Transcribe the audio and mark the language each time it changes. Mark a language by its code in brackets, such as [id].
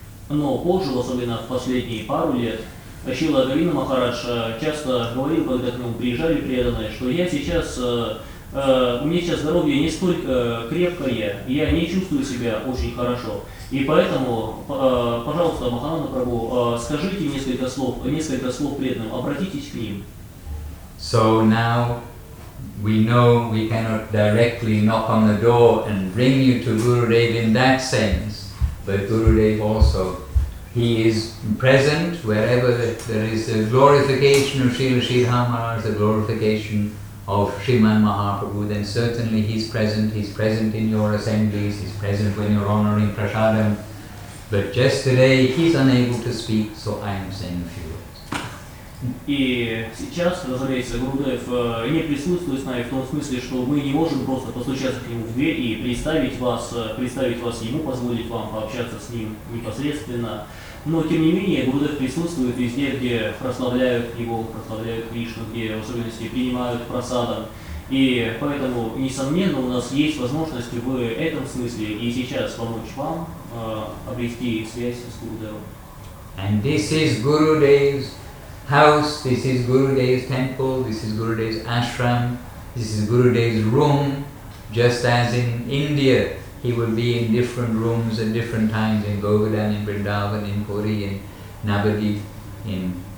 [ru] Но позже, особенно в последние пару лет, Шрила Говинда Махарадж часто говорил, когда к нему приезжали преданные, что я сейчас, у меня сейчас здоровье не столько крепкое, я не чувствую себя очень хорошо. И поэтому, пожалуйста, Махананда Прабху, скажите несколько слов преданным, обратитесь к ним. [en] So now we know we cannot directly knock on the door and bring you to Gurudev in that sense, but Gurudev also, he is present wherever there is a glorification of Srila Sridhar Maharaj, the glorification of Sriman Mahaprabhu, then certainly he's present. He's present in your assemblies, he's present when you're honoring prasadam. But just today he's unable to speak, so I am saying a few. [ru] И сейчас, разумеется, Гурудев не присутствует с нами в том смысле, что мы не можем просто постучаться к нему в дверь и представить вас ему, позволить вам пообщаться с ним непосредственно. Но, тем не менее, Гурудев присутствует везде, где прославляют его, прославляют Кришну, где, в особенности, принимают прасадам. И поэтому, несомненно, у нас есть возможность в этом смысле и сейчас помочь вам обрести связь с Гурудевом. [en] And this is Gurudev's house, this is Gurudev's temple, this is Gurudev's ashram, this is Gurudev's room, just as in India he would be in different rooms at different times, in Govardhan, in Vrindavan, in Puri, in Navadvip, in